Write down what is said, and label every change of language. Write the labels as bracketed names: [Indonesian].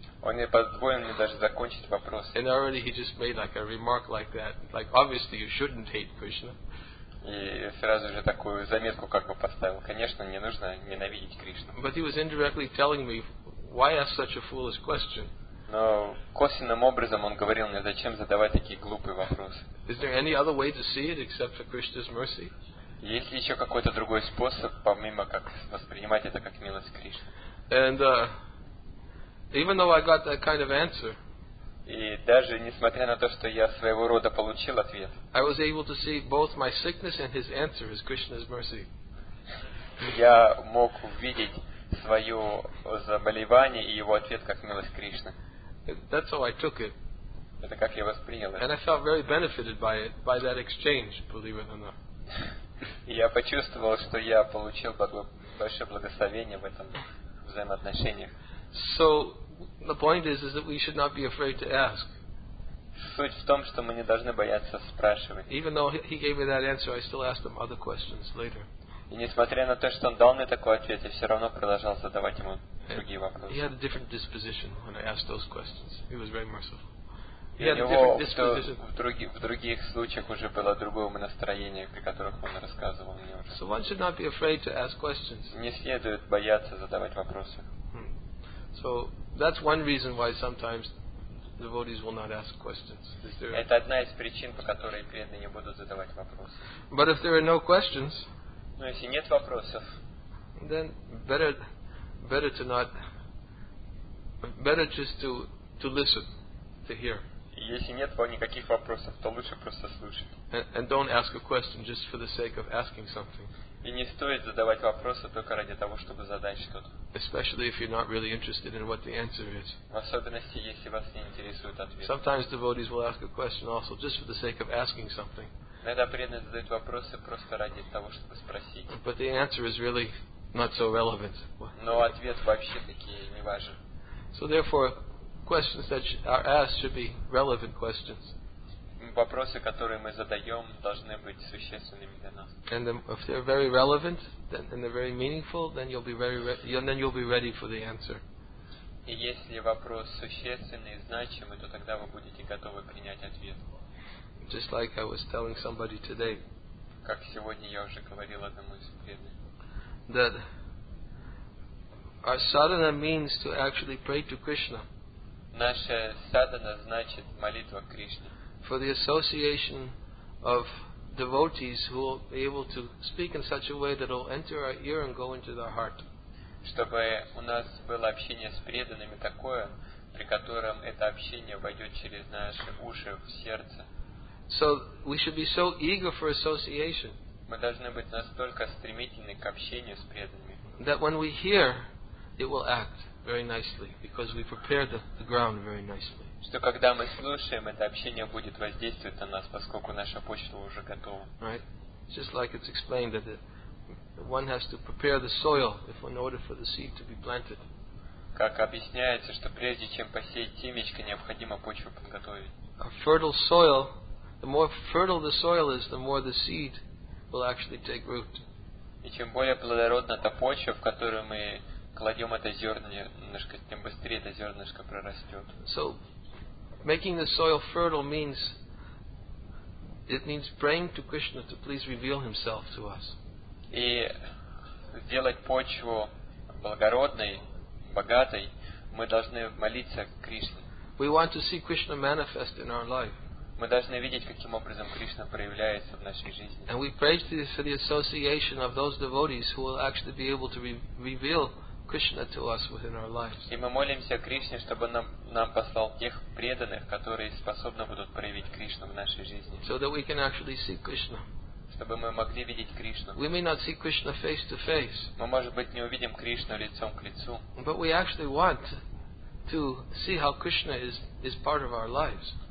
[Russian] Он не позволил мне даже закончить вопрос. [English] And already he just made like a remark like that. Like, obviously you shouldn't hate Krishna. [Russian] И сразу же такую заметку как бы поставил. Конечно, не нужно ненавидеть Кришну. [English] But he was indirectly telling me, why ask such a foolish question? [Russian] Но косвенным образом он говорил мне, зачем задавать такие глупые вопросы. [English] Is there any other way to see it except for Krishna's mercy? [Russian] Есть ли еще какой-то другой способ, помимо как воспринимать это как милость Кришны? [English] And Even though I got that kind of answer, [Russian] и даже несмотря на то, что я своего рода получил ответ, [English] I was able to see both my sickness and his answer, his Krishna's mercy. [Russian] Я мог увидеть свое заболевание и его ответ как милость Кришны. [English] That's how I took it. [Russian] Это как я воспринял это. [English] And I felt very benefited by it, by that exchange, believe it or not. [Russian] Я почувствовал, что я получил большое благословение в этом взаимоотношениях. [English] So the point is that we should not be afraid to ask. [Russian] Суть в том, что мы не должны бояться спрашивать. [English] Even though he gave me that answer, I still asked him other questions later. [Russian] И несмотря на то, что он дал мне такой ответ, я все равно продолжал задавать ему другие вопросы. [English] He had a different disposition when I asked those questions. He was very merciful. [Russian] В других случаях уже было другое настроение, при которых он рассказывал мне уже. [English] So one should not be afraid to ask questions. [Russian] Не следует бояться задавать вопросы. [English] So that's one reason why sometimes devotees will not ask questions. [Russian] Это одна из причин, по которой преданные не будут задавать вопросы. [English] But if there are no questions, [Russian] но если нет вопросов, [English] then better just to listen, to hear. [Russian] Если нет никаких вопросов, то лучше просто слушать. [English] And don't ask a question just for the sake of asking something. [Russian] И не стоит задавать вопросы только ради того, чтобы задать что-то. [English] Especially if you're not really interested in what the answer is. [Russian] В особенности, если вас не интересует ответ. [English] Sometimes devotees will ask a question also just for the sake of asking something. [Russian] Иногда преданные задают вопросы просто ради того, чтобы спросить. [English] But the answer is really not so relevant. [Russian] Но ответ вообще таки не важен. [English] So therefore, questions that are asked should be relevant questions. [Russian] Вопросы, которые мы задаем, должны быть существенными для нас. [English] And if they're very relevant, then and they're very meaningful, then you'll be ready for the answer. [Russian] И если вопрос существенный и значимый, то тогда вы будете готовы принять ответ. [English] Just like I was telling somebody today. [Russian] Как сегодня я уже говорил одному из преданных. [English] That our sadhana means to actually pray to Krishna. [Russian] Наша садхана значит молитва Кришне. [English] For the association of devotees who will be able to speak in such a way that will enter our ear and go into their heart. [Russian] Чтобы у нас было общение с преданными такое, при котором это общение войдет через наши уши в сердце. [English] So we should be so eager for association. [Russian] Мы должны быть настолько стремительны к общению с преданными. [English] That when we hear, it will act very nicely because we prepare the ground very nicely. [Russian] Что когда мы слушаем, это общение будет воздействовать на нас, поскольку наша почва уже готова. [English] Right? Just like it's explained that one has to prepare the soil if in order for the seed to be planted. [Russian] Как объясняется, что прежде чем посеять семечко, необходимо почву подготовить. [English] A fertile soil, the more fertile the soil is, the more the seed will actually take root. [Russian] И чем более плодородна та почва, в которую мы кладем это зернышко, тем быстрее это зернышко прорастет. [English] So, making the soil fertile means it means praying to Krishna to please reveal Himself to us. [Russian] И сделать почву благородной, богатой, мы должны молиться Кришне. [English] We want to see Krishna manifest in our life. [Russian] Мы должны видеть, каким образом Кришна проявляется в нашей жизни. [English] And we pray for the association of those devotees who will actually be able to reveal Krishna to us within our lives. [Russian] И мы молимся Кришне, чтобы нам послал тех преданных, которые способны будут проявить Кришну в нашей жизни. [English] So that we can actually see Krishna. [Russian] Чтобы мы могли видеть Кришну. [English] We may not see Krishna face to face. [Russian] Мы, может быть, не увидим Кришну лицом к лицу. [English] But we actually want to see how Krishna is part of our lives.